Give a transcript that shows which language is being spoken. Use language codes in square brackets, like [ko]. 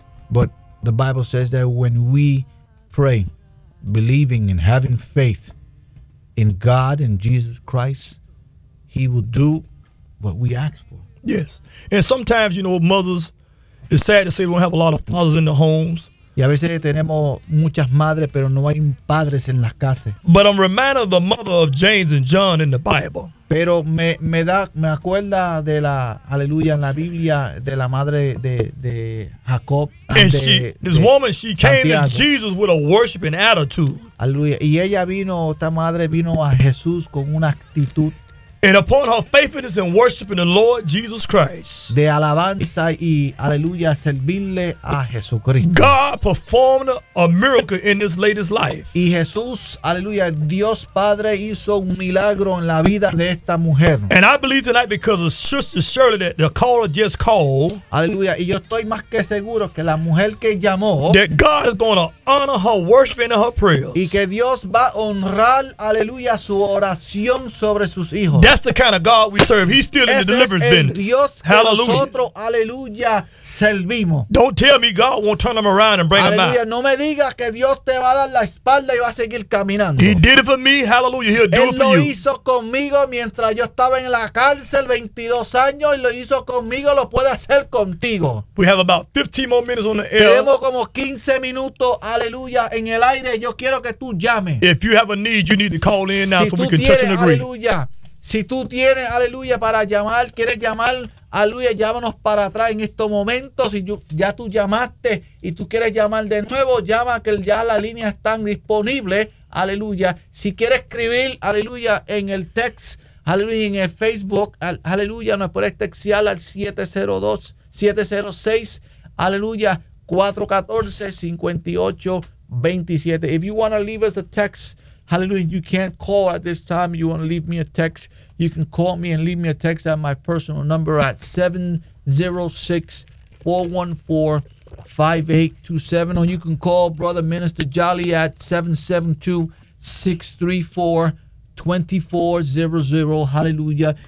[en] But the Bible says that when we pray, believing and having faith in God and Jesus Christ, He will do what we ask for. Yes. And sometimes, you know, mothers, it's sad to say we don't have a lot of fathers in the homes. [es] Y a veces tenemos muchas madres, pero no hay padres en las casas. [en] But I'm reminded of the mother of James and John in the Bible. [es] Pero me acuerda de la aleluya en la Biblia de la madre de Jacob. [en] And this woman, she came to Jesus with a worshiping attitude. [es] Aleluya. Y ella vino, esta madre vino a Jesús con una actitud. [en] And upon her faithfulness in worshiping the Lord Jesus Christ. [es] De alabanza y aleluya servirle a Jesucristo. [en] God performed a miracle in this lady's life. [es] Y Jesús, aleluya, Dios Padre hizo un milagro en la vida de esta mujer. [en] And I believe tonight because of Sister Shirley that the caller just called. [es] Aleluya, y yo estoy más que seguro que la mujer que llamó. [en] That God is going to honor her worshiping and her prayers. [es] Y que Dios va a honrar, aleluya, su oración sobre sus hijos. [en] That That's the kind of God we serve. He's still in the deliverance business. [es] Hallelujah. Nosotros, aleluya, servimos. [en] Don't tell me God won't turn them around and bring them out. [es] No me digas que Dios te va a dar la espalda y va a seguir caminando. [en] He did it for me. Hallelujah. He'll do [es] él [en] it for [es] lo [en] you. [es] Hizo conmigo mientras yo estaba en la cárcel 22 años y lo hizo conmigo, lo puede hacer contigo. [en] We have about 15 more minutes on the air. [es] Tenemos como 15 minutos, aleluya, en el aire. Yo quiero que tú llames. [en] If you have a need, you need to call in now so we can touch and agree. [es] Aleluya. Si tú tienes, aleluya, para llamar, quieres llamar, aleluya, llámanos para atrás en estos momentos. Si ya tú llamaste y tú quieres llamar de nuevo, llama que ya las líneas están disponibles, aleluya. Si quieres escribir, aleluya, en el text, aleluya, en el Facebook, aleluya, nos puedes textear al 702-706, aleluya, 414-5827. [en] If you want to leave us a text, hallelujah, you can't call at this time. You want to leave me a text, you can call me and leave me a text at my personal number at 706-414-5827. Or you can call Brother Minister Jolly at 772-634-2400. Hallelujah.